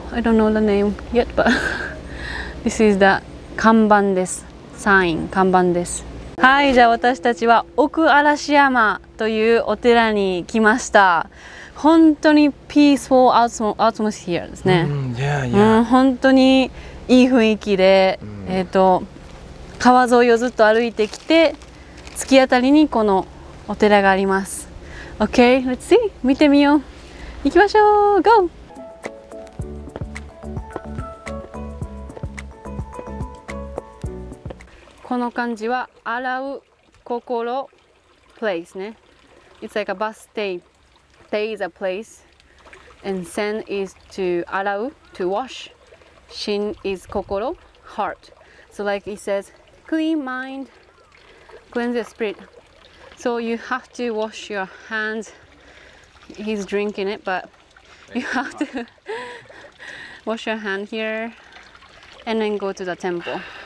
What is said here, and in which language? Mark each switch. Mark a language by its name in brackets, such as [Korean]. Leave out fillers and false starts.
[English] I don't know the name yet, but this is the [Japanese] 看板です。サイン、看板です。はい、じゃあ私たちは奥嵐山というお寺に来ました。本当に [English] peaceful atmosphere [Japanese] ですね。 [English] Yeah, yeah. [Japanese] 本当にいい雰囲気で、川沿いをずっと歩いてきて、突き当たりにこのお寺があります。 [English] Okay, let's see. [Japanese] 見てみよう。行きましょう。 [English] Go! [Japanese] この漢字は洗う心 place ね。 [English] It's like a bus stay. Stay is a place. And sen is to 洗う to wash. Shin is 心 heart. So like it says, clean mind, cleanse your spirit. So you have to wash your hands. He's drinking it, but you have to wash your hand here and then go to the temple.